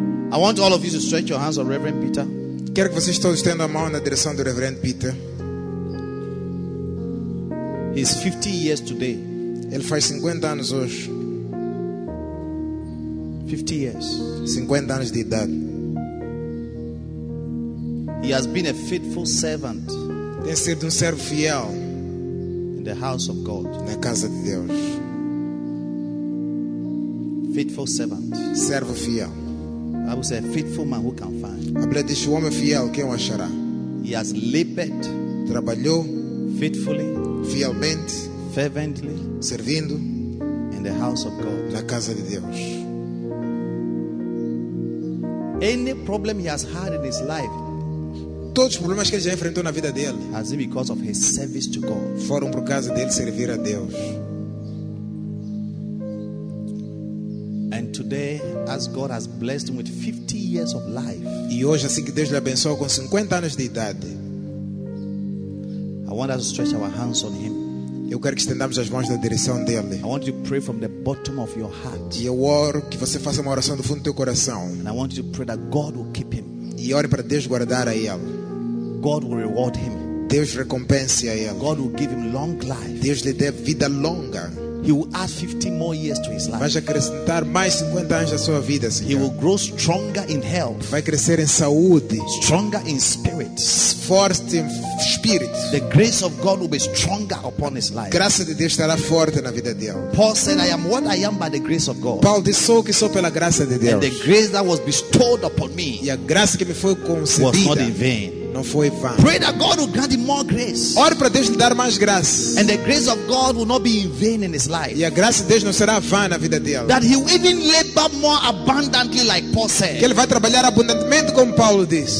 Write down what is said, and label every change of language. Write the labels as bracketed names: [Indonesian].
[English] I want all of you to stretch your hands on Reverend Peter. [Portuguese] Quero que vocês todos estendam a mão na direção do Reverend Peter. [English] He's 50 years today. [Portuguese] Ele faz 50 anos hoje. [English] 50 years. [Portuguese] 50 anos de idade. [English] He has been a faithful servant. [Portuguese] Tem sido servo fiel. [English] In the house of God. [Portuguese] Na casa de Deus. [English] Faithful servant. [Portuguese] Servo fiel. [English] I would say a faithful man who can find. A blessed is [Portuguese] o homem fiel quem o achará. [English] He has labored. [Portuguese] Trabalhou. [English] Faithfully. [Portuguese] Fielmente. [English] Fervently. [Portuguese] Servindo. [English] In the house of God. [Portuguese] Na casa de Deus. [English] any problem he has had in his life, [Portuguese] todos os problemas que ele já enfrentou na vida dele, [English] has been because of his service to God. [Portuguese] Foram por causa dele servir a Deus. [English] And today, as God has blessed him with 50 years of life, [Portuguese] e hoje assim que Deus lhe abençoou com 50 anos de idade, [English] I want us to stretch our hands on him. [Portuguese] Eu quero que estendamos as mãos na direção dele. [English] I want you to pray from the bottom of your heart. [Portuguese] E eu oro que você faça uma oração do fundo do teu coração. [English] And I want you to pray that God will keep him. [Portuguese] E ore para Deus guardar a ele. [English] God will reward him. [Portuguese] Deus recompense a ele. [English] God will give him long life. [Portuguese] Deus lhe dê vida longa. [English] He will add 50 more years to his life. [Portuguese] Vai acrescentar mais 50 anos à sua vida, Senhor. [English] He will grow stronger in health. [Portuguese] Vai crescer em saúde. [English] Stronger in spirit. [Portuguese] Forte em spirit. [English] The grace of God will be stronger upon his life. [Portuguese] Graça de Deus estará forte na vida dele. [English] Paul said, "I am what I am by the grace of God." [Portuguese] Paulo disse, sou o que sou pela graça de Deus. [English] And the grace that was bestowed upon me, [Portuguese] e a graça que me foi concedida, [English] was not in vain. [Portuguese] Não foi vã. [English] Pray that God will grant him more grace. [Portuguese] Ore para Deus lhe dar mais graça. [English] And the grace of God will not be in vain in his life. [Portuguese] E a graça de Deus não será vã na vida dele. [English] That he will even labor more abundantly, like Paul said. [Portuguese] Que ele vai trabalhar abundantemente, como Paulo diz.